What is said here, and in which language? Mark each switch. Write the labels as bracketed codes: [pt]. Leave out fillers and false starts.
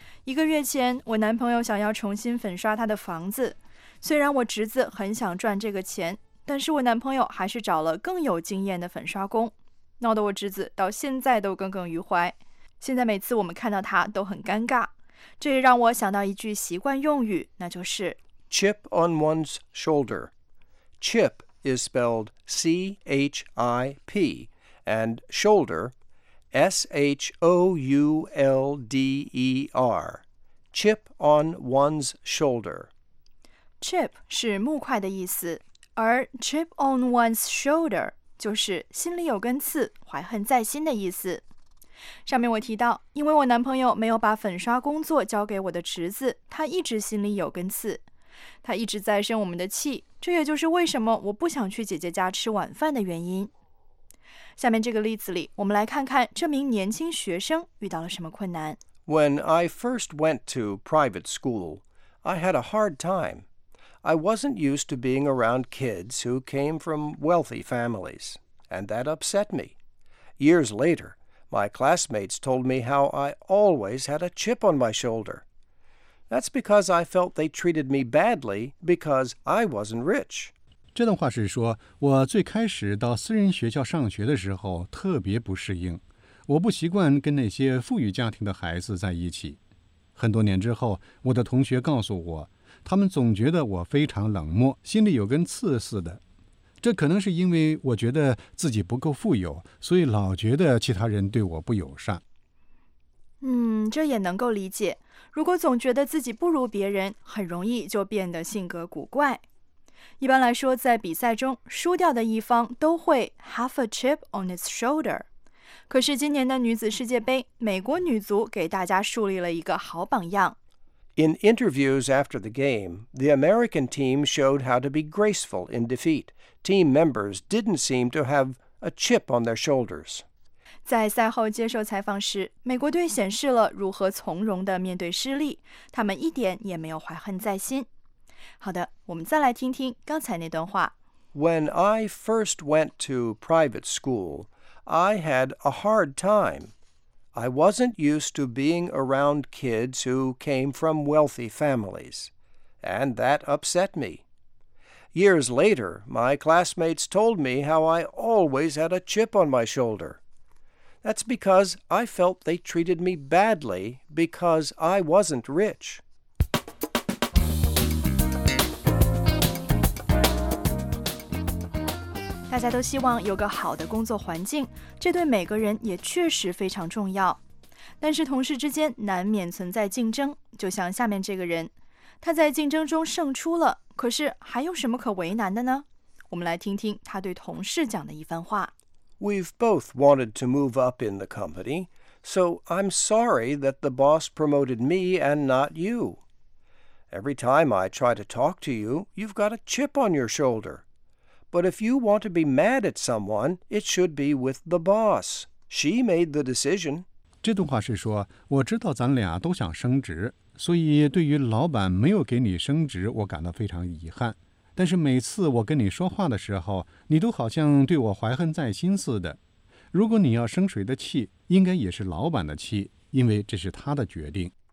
[zh] 一个月前，我男朋友想要重新粉刷他的房子，虽然我侄子很想赚这个钱，但是我男朋友还是找了更有经验的粉刷工，闹得我侄子到现在都耿耿于怀，现在每次我们看到他都很尴尬。这也让我想到一句习惯用语，那就是 [en] Chip on one's shoulder. Chip is spelled C-H-I-P and shoulder S-H-O-U-L-D-E-R. Chip on one's shoulder. [zh] Chip 是木块的意思，而 chip on one's shoulder 就是心里有根刺，怀恨在心的意思。上面我提到，因为我男朋友没有把粉刷工作交给我的侄子，他一直心里有根刺，他一直在生我们的气，这也就是为什么我不想去姐姐家吃晚饭的原因。下面这个例子里，我们来看看这名年轻学生遇到了什么困难。 [en] When I first went to private school, I had a hard time. I wasn't used to being around kids who came from wealthy families, and that upset me. Years later,My classmates told me how I always had a chip on my shoulder. That's because I felt they treated me badly because I wasn't rich. [zh] 这段话是说，我最开始到私人学校上学的时候特别不适应，我不习惯跟那些富裕家庭的孩子在一起。很多年之后，我的同学告诉我，他们总觉得我非常冷漠，心里有根刺似的。这可能是因为我觉得自己不够富有，所以老觉得其他人对我不友善。这也能够理解。如果总觉得自己不如别人，很容易就变得性格古怪。一般来说，在比赛中，输掉的一方都会 have a chip on its shoulder。可是今年的女子世界杯，美国女足给大家树立了一个好榜样。 [en] In interviews after the game, the American team showed how to be graceful in defeat. Team members didn't seem to have a chip on their shoulders. [zh] 在赛后接受采访时，美国队显示了如何从容地面对失利，他们一点也没有怀恨在心。好的，我们再来听听刚才那段话。 [en] When I first went to private school, I had a hard time. I wasn't used to being around kids who came from wealthy families, and that upset me. Years later, my classmates told me how I always had a chip on my shoulder. That's because I felt they treated me badly because I wasn't rich. [zh] 大家都希望有个好的工作环境，这对每个人也确实非常重要。但是同事之间难免存在竞争，就像下面这个人，他在竞争中胜出了，可是还有什么可为难的呢？我们来听听他对同事讲的一番话。 [en] We've both wanted to move up in the company, so I'm sorry that the boss promoted me and not you. Every time I try to talk to you, you've got a chip on your shoulder. But if you want to be mad at someone, it should be with the boss. She made the decision. [zh] 这段话是说，我知道咱俩都想升职，所以对于老板没有给你升职，我感到非常遗憾。但是每次我跟你说话的时候，你都好像对我怀恨在心似的。如果你要生谁的气，应该也是老板的气，因为这是他的决定。